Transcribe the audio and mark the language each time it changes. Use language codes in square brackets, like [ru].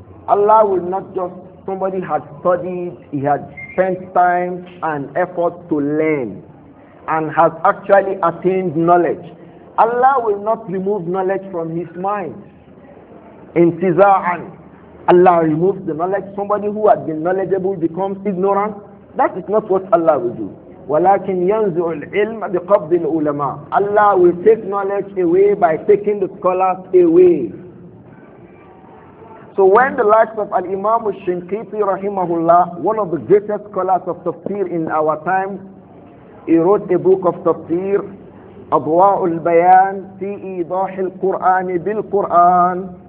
[en] Allah will not just, somebody had studied, he had spent time and effort to learn and has actually attained knowledge. Allah will not remove knowledge from his mind. In tiza'an, Allah removes the knowledge. Somebody who had been knowledgeable becomes ignorant. That is not what Allah will do. [ar] ولكن ينزع العلم بقبض العلماء. [en] Allah will take knowledge away by taking the scholars away. So when the likes of Al-Imam Al-Shinkiti rahimahullah, one of the greatest scholars of tafsir in our time, he wrote a book of tafsir, أضواء البيان في إيضاح القرآن بالقرآن.